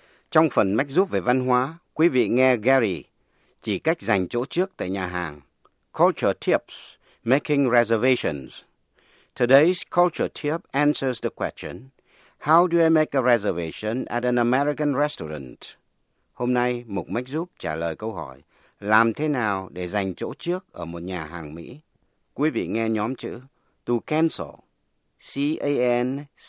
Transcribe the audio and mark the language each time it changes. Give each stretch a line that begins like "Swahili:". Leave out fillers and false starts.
Vietnamese: Trong phần mách giúp về văn hóa, quý vị nghe Gary chỉ cách dành chỗ trước tại nhà hàng.
English: Culture tips, making reservations. Today's culture tip answers the question, how do I make a reservation at an American restaurant?
Vietnamese: Hôm nay, mục mách giúp trả lời câu hỏi, làm thế nào để dành chỗ trước ở một nhà hàng Mỹ? Quý vị nghe nhóm chữ, to cancel, C-A-N-C-E-L.